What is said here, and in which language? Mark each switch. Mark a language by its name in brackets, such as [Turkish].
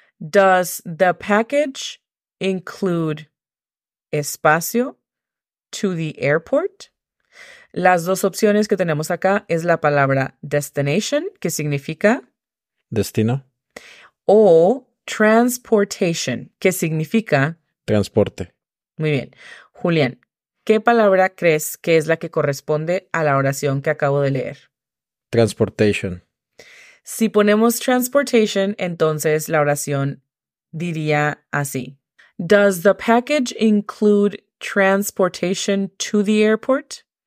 [English] Does the package include espacio to the airport? [Spanish] Las dos opciones que tenemos acá es la palabra destination, que significa destino. O transportation, que significa transporte. Muy bien. Julián. ¿Qué palabra crees que es la que corresponde a la oración que acabo de leer? [English] Transportation. [Spanish] Si ponemos transportation, entonces la oración diría así. [English] Does the package include transportation to the airport?